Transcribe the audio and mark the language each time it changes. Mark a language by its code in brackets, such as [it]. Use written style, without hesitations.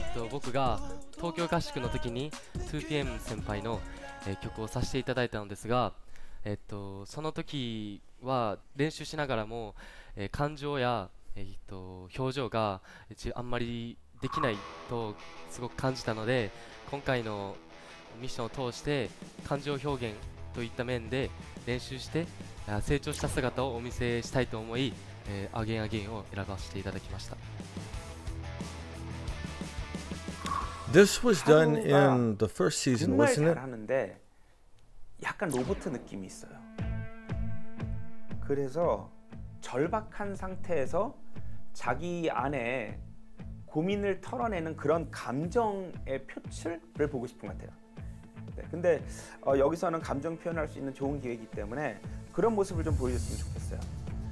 [ja] 僕が東京合宿の時に 2PM 先輩の、曲をさせていただいたのですが、その時は練習しながらも、感情や、表情があんまりできないとすごく感じたので、今回のミッションを通して感情表現といった面で練習して成長した姿をお見せしたいと思い、アゲンアゲンを選ばせていただきました。 [en] This was done in the first season, wasn't it? [ko] 하는데 약간 로봇 느낌이 있어요. 그래서 절박한 상태에서 자기 안에 고민을 털어내는 그런 감정의 표출을 보고 싶은 것 같아요. 네, 근데 여기서는 감정 표현할 수 있는 좋은 기회이기 때문에 그런 모습을 좀 보여줬으면 좋겠어요.